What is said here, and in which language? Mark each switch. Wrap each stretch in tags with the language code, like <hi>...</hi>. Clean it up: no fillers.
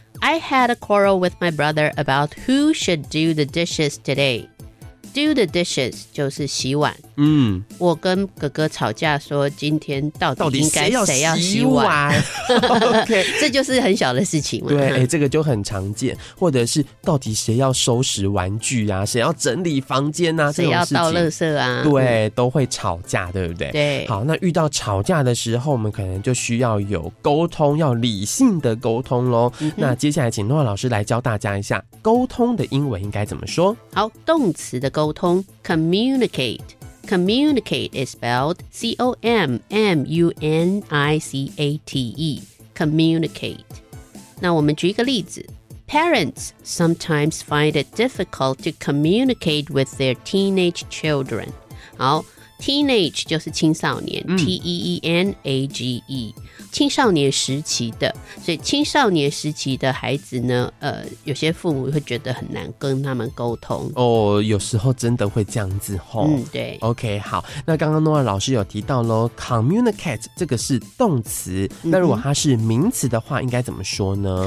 <en>I had a quarrel with my brother about who should do the dishes today。 Do the dishes</en> <zh>就是洗碗。我跟哥哥吵架说今天到底应该谁要洗碗。这就是很小的事情。对，这个就很常见。或者是到底谁要收拾玩具啊，谁要整理房间啊，谁要倒垃圾啊，对，都会吵架，对不对？对。好，那遇到吵架的时候，我们可能就需要有沟通，要理性的沟通咯。那接下来请诺瓦老师来教大家一下沟通的英文应该怎么说。好，动词的沟通</zh> <en>communicate。Communicate is spelled C-O-M-M-U-N-I-C-A-T-E. Communicate.</en> <zh>那我们举一个例子。</zh> <en>Parents sometimes find it difficult to communicate with their teenage children.</en> <zh>好， teenage 就是青少年，T-E-E-N-A-G-E. 青少年时期的，所以青少年时期的孩子呢，有些父母会觉得很难跟他们沟通哦，有时候真的会这样子哦。对。 OK， 好，那刚刚诺尔老师有提到咯， communicate 这个是动词，那如果它是名词的话应该怎么说呢？</zh>